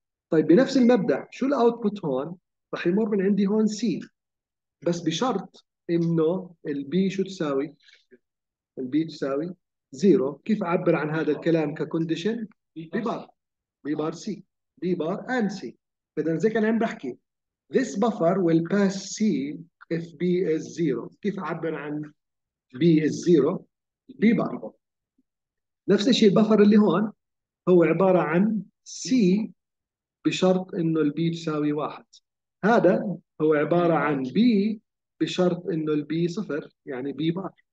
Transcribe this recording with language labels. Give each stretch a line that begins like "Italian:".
Arabic: طيب بنفس المبدا شو الاوتبوت هون؟ راح يمر من عندي هون c، بس بشرط انه ال b شو تساوي؟ ال b تساوي 0. كيف اعبر عن هذا الكلام ككونديشن؟ b بار، b بار c، b بار and c. اذا زي كان عم بحكي
English: this buffer will pass c if b is 0.
Arabic: كيف اعبر عن b is 0؟ b بار. نفس الشيء البفر اللي هون هو عبارة عن C ب بشرط انه البي تساوي واحد. هذا هو عبارة عن بي بشرط انه البي صفر، يعني بي بار.